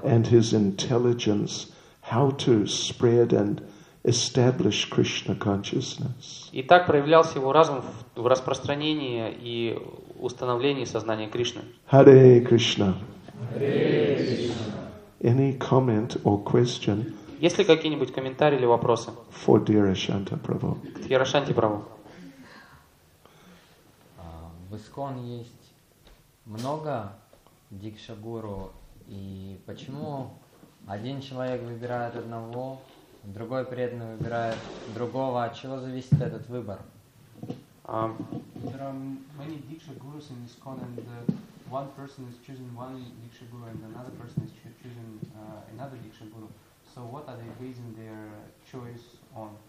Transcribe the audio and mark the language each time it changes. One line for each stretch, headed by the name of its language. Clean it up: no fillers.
English: And his intelligence, how to spread and establish Krishna consciousness.
Russian: И так проявлялся его разум в распространении и установлении сознания Кришны.
Sanskrit: Hare Krishna. Hare Krishna.
English: Any comment or question?
Russian: Есть ли какие-нибудь комментарии или вопросы?
English: For Dhirashanta Prabhu.
Russian: К Дхирашанте Прабху. В ИСККОН есть много дикшагуру, и почему один человек выбирает одного, другой преданный выбирает другого? От чего зависит этот выбор?
English: There are many dikshagurus in ISKCON, and one person is choosing one dikshaguru, and another person is choosing another dikshaguru. So what are they basing their choice on?